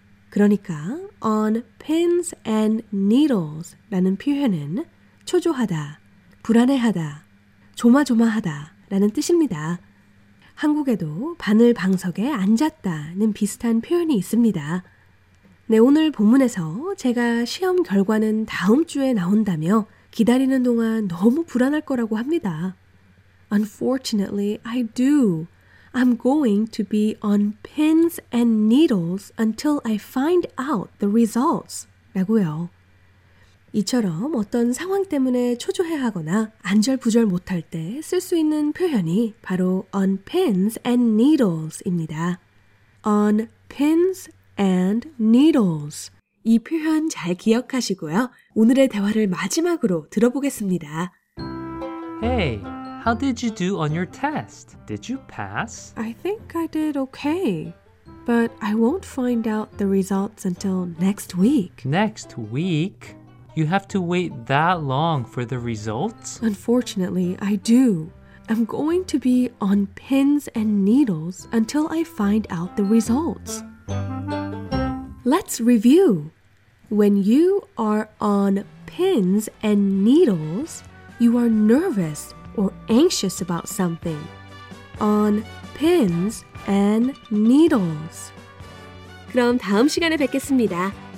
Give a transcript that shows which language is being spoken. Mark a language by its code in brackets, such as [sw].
[ko] 그러니까 [en] on pins and needles [ko] 라는 표현은 초조하다, 불안해하다, 조마조마하다 라는 뜻입니다. 한국에도 바늘 방석에 앉았다는 비슷한 표현이 있습니다. 네, 오늘 본문에서 제가 시험 결과는 다음 주에 나온다며 기다리는 동안 너무 불안할 거라고 합니다. [en] Unfortunately, I do. I'm going to be on pins and needles until I find out the results. [ko] 라고요. 이처럼 어떤 상황 때문에 초조해하거나 안절부절 못할 때 쓸 수 있는 표현이 바로 [en] on pins and needles [ko] 입니다. [en] On pins and needles. [ko] 이 표현 잘 기억하시고요. 오늘의 대화를 마지막으로 들어보겠습니다. [en] Hey, how did you do on your test? Did you pass? I think I did okay, but I won't find out the results until next week. Next week? You have to wait that long for the results? Unfortunately, I do. I'm going to be on pins and needles until I find out the results. Let's review. When you are on pins and needles, you are nervous or anxious about something. On pins and needles. [ko] 그럼 다음 시간에 뵙겠습니다.